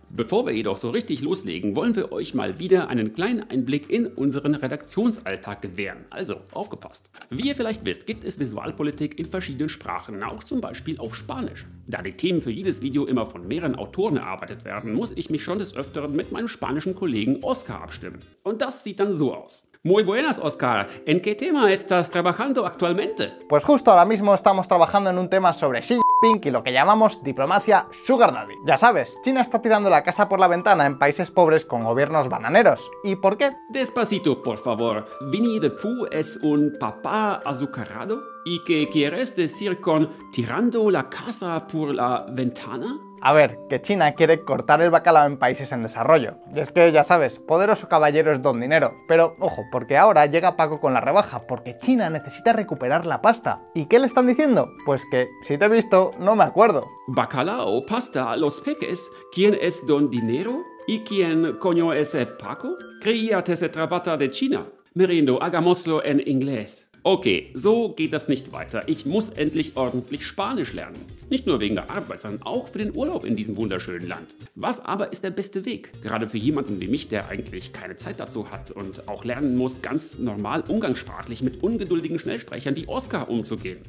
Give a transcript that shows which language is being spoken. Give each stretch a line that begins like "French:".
German: Bevor wir jedoch so richtig loslegen, wollen wir euch mal wieder einen kleinen Einblick in unseren Redaktionsalltag gewähren. Also, aufgepasst! Wie ihr vielleicht wisst, gibt es Visualpolitik in verschiedenen Sprachen, auch zum Beispiel auf Spanisch. Da die Themen für jedes Video immer von mehreren Autoren erarbeitet werden, muss ich mich schon des Öfteren mit meinem spanischen Kollegen Oscar abstimmen. Und das sieht dann so aus.
Spanish: Muy buenas, Oscar. ¿En qué tema estás trabajando actualmente? Pues justo ahora mismo estamos trabajando en un tema sobre Xi Jinping y lo que llamamos diplomacia Sugar Daddy. Ya sabes, China está tirando la casa por la ventana en países pobres con gobiernos bananeros. ¿Y por qué? Despacito, por favor. ¿Winnie the Pooh es un papá azucarado? ¿Y qué quieres decir con tirando la casa por la ventana? A ver, que China quiere cortar el bacalao en países en desarrollo. Y es que, ya sabes, poderoso caballero es don dinero. Pero, ojo, porque ahora llega Paco con la rebaja, porque China necesita recuperar la pasta. ¿Y qué le están diciendo? Pues que, si te he visto, no me acuerdo. Bacalao, pasta, los peques. ¿Quién es don dinero? ¿Y quién coño es Paco? Creía que se trataba de China. Merindo, hagámoslo en inglés.
German: Okay, so geht das nicht weiter. Ich muss endlich ordentlich Spanisch lernen. Nicht nur wegen der Arbeit, sondern auch für den Urlaub in diesem wunderschönen Land. Was aber ist der beste Weg? Gerade für jemanden wie mich, der eigentlich keine Zeit dazu hat und auch lernen muss, ganz normal umgangssprachlich mit ungeduldigen Schnellsprechern wie Oscar umzugehen.